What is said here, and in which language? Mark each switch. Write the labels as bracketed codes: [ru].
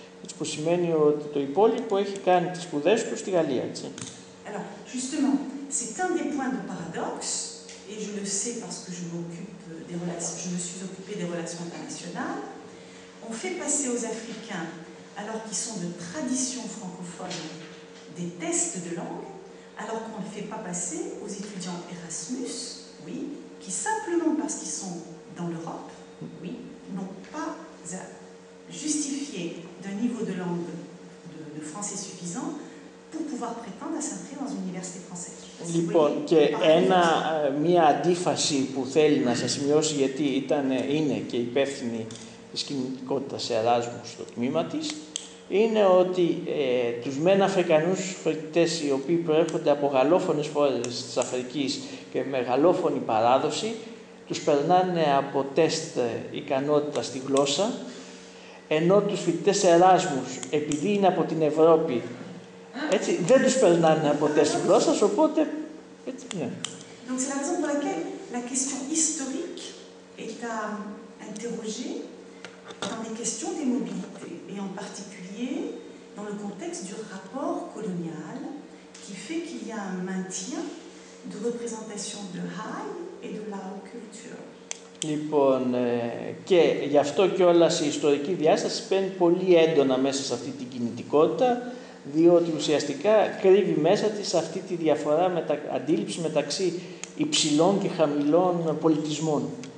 [el] Έτσι που σημαίνει ότι το υπόλοιπο έχει κάνει τις σπουδές του στη Γαλλία, έτσι. [fr] Alors, justement, c'est un des points de paradoxe, et je le sais parce que je m'occupe je me suis occupée des relations internationales. On fait passer aux Africains, alors qu'ils sont de tradition francophone, des tests de langue, alors qu'on ne les fait pas passer aux étudiants Erasmus, oui, qui simplement parce qu'ils sont dans l'Europe, oui, n'ont pas à justifier d'un niveau de langue de français suffisant pour pouvoir prétendre à s'inscrire dans une université française. [el] Λοιπόν, και ένα, μία αντίφαση που θέλει να σας σημειώσει, γιατί ήταν, είναι και υπεύθυνη της κοινωνικότητας Εράσμους στο τμήμα της, είναι ότι τους μεν Αφρικανούς φοιτητές, οι οποίοι προέρχονται από γαλλόφωνες χώρες της Αφρικής και με γαλλόφωνη παράδοση, τους περνάνε από τεστ ικανότητα στη γλώσσα, ενώ τους φοιτητές Εράσμους, επειδή είναι από την Ευρώπη, έτσι, δεν τους περνάνε από τεστ γλώσσας, οπότε έτσι είναι. [fr] Donc c'est la raison pour laquelle la question historique est à interroger dans les questions des mobilités et en particulier dans le contexte du rapport colonial qui fait qu'il y a un maintien de représentation de high et de low culture. [el] Λοιπόν, και γι' αυτό κιόλας η ιστορική διάσταση παίρνει πολύ έντονα μέσα σε αυτή την κινητικότητα, διότι ουσιαστικά κρύβει μέσα της αυτή τη διαφορά, αντίληψη μεταξύ υψηλών και χαμηλών πολιτισμών.